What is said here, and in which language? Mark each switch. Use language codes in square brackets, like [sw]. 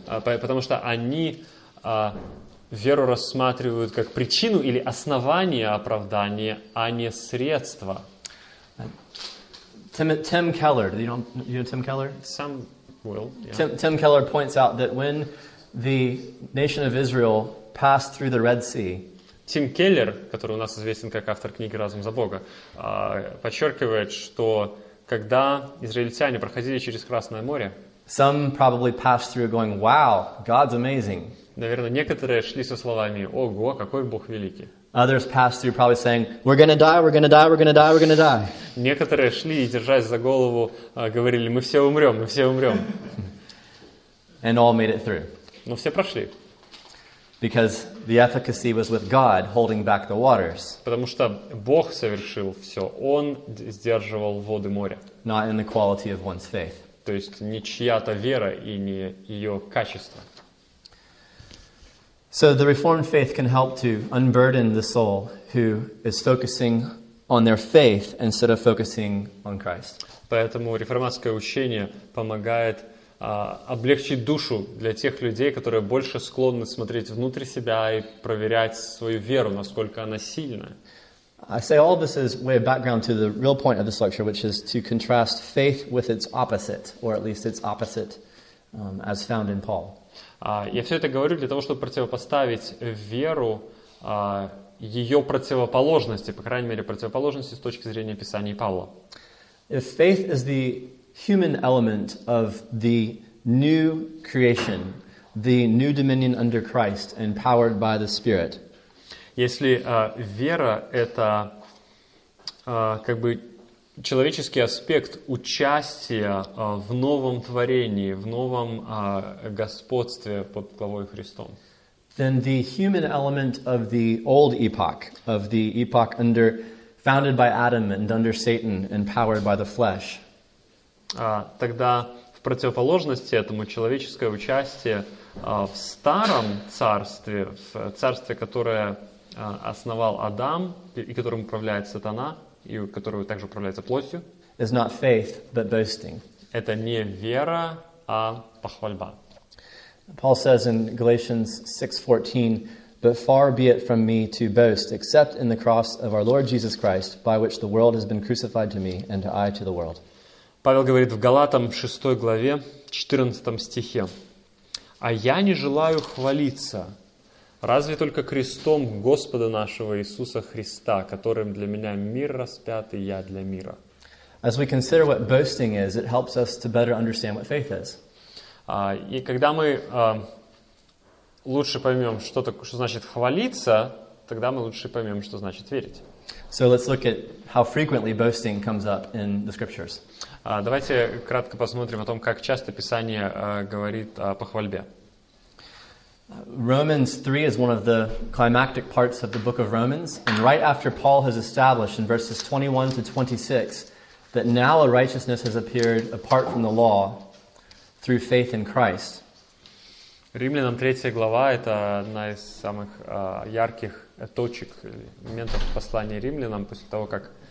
[ru] Потому что они веру рассматривают как причину или основание оправдания, а не средство. [en] Tim Keller, do you know Tim Keller? Some will. Yeah. Tim Keller points out that when the nation of Israel passed through the Red Sea. [ru] Тим Келлер, который у нас известен как автор книги «Разум за Бога», подчеркивает, что когда израильтяне проходили через Красное море, [en] some probably passed through going, wow, God's amazing. [ru] Наверное, некоторые шли со словами: «Ого, какой Бог великий». [en] Others passed through probably saying, we're going to die, we're going to die, we're going to die, we're going to die. [ru] Некоторые шли и, держась за голову, говорили: мы все умрем, мы все умрем. [en] And all made it through. [ru] Но все прошли. [en] Because the efficacy was with God holding back the waters. [ru] Потому что Бог совершил все. Он сдерживал воды моря. [en] Not in the quality of one's faith. [ru] То есть не чья-то вера и не ее качество. [en] So the Reformed faith can help to unburden the soul who is focusing on their faith instead of focusing on Christ. [ru] Поэтому реформатское учение помогает облегчить душу для тех людей, которые больше склонны смотреть внутрь себя и проверять свою веру, насколько она сильная. [en] I say all this is way of background to the real point of this lecture, which is to contrast faith with its opposite, or at least its opposite, as found in Paul. [ru] Я все это говорю для того, чтобы противопоставить веру ее противоположности, по крайней мере, противоположности с точки зрения Писания Павла. [en] If faith is the human element of the new creation, the new dominion under Christ, empowered by the Spirit. [ru] Если вера — это как бы человеческий аспект участия в новом творении, в новом господстве под главой Христом. [en] Then the human element of the old epoch, of the epoch under, founded by Adam and under Satan, empowered by the flesh. [ru] Тогда в противоположности этому человеческое участие в старом царстве, в царстве, которое основал Адам и которым управляет сатана, и которую также управляется плотью. [en] It's not faith, but boasting. [ru] Это не вера, а похвальба. [en] Paul says in Galatians 6:14, but far be it from me to boast, except in the cross of our Lord Jesus Christ, by which the world has been crucified to me, and I to the world. [ru] Павел говорит в Галатам 6 главе 14 стихе: «А я не желаю хвалиться, разве только крестом Господа нашего Иисуса Христа, которым для меня мир распят, и я для мира». [en] As we consider what boasting is, it helps us to better understand what faith is. [ru] И когда мы лучше поймем, что значит хвалиться, тогда мы лучше поймем, что значит верить. [en] So let's look at how frequently boasting comes up in the scriptures. [ru] Давайте кратко посмотрим о том, как часто Писание говорит о похвальбе. [en] Romans 3 is one of the climactic parts of the book of Romans, and right after Paul has established in verses 21 to 26 that now a righteousness has appeared apart from the law through faith in Christ. [ru] Римлянам 3 глава — это одна из самых ярких точек, моментов в послании Римлянам, после того, как...